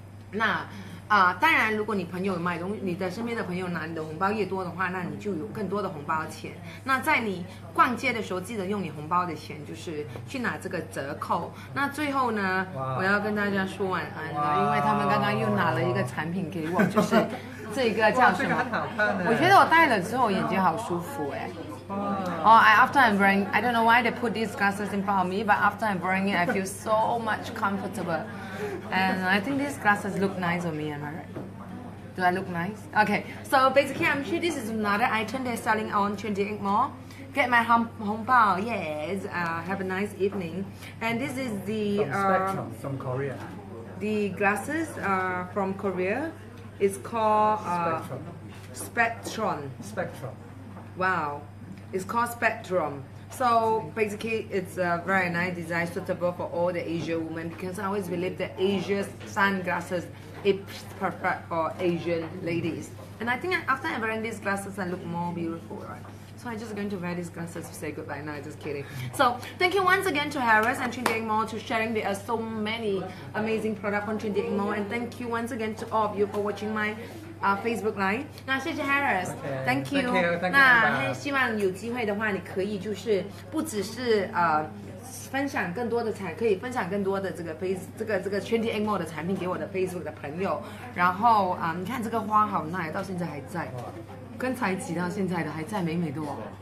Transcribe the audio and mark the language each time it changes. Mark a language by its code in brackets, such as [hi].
[zh] 那 当然，如果你朋友买东，你的身边的朋友拿你的红包越多的话，那你就有更多的红包钱。那在你逛街的时候，记得用你红包的钱，就是去拿这个折扣。那最后呢，我要跟大家说晚安了，因为他们刚刚又拿了一个产品给我，就是这个叫什么？我觉得我戴了之后眼睛好舒服哎。 [en] After I'm wearing, I don't know why they put these glasses in front of me, but after I'm wearing it, I feel so much comfortable. And I think these glasses look nice on me, am I right? Do I look nice? Okay, so basically, I'm sure this is another item they're selling on 28 Mall. Get my hongbao, yes. Have a nice evening. And this is the... From Korea. The glasses from Korea. It's called... Spectrum. Wow. It's called Spectrum. So basically, it's a very nice design suitable for all the Asian women, because I always believe that Asia's sunglasses it's perfect for Asian ladies. And I think after I'm wearing these glasses, I look more beautiful, right? So I'm just going to wear these glasses to say goodbye. No, just kidding. So thank you once again to Harris and Trinity Mall to sharing. There are so many amazing products on Trinity Mall. And thank you once again to all of you for watching my Facebook Live. [zh] 那谢谢 Harris. [en] Okay. Thank you. Thank you. [zh] 那希望有机会的话，你可以就是不只是。分享更多的产，可以分享更多的这个 Trinity Egg Mall 的产品给我的 Facebook 的朋友。然后啊，你看这个花好耐，到现在还在，刚才挤到现在的还在，美美的哦。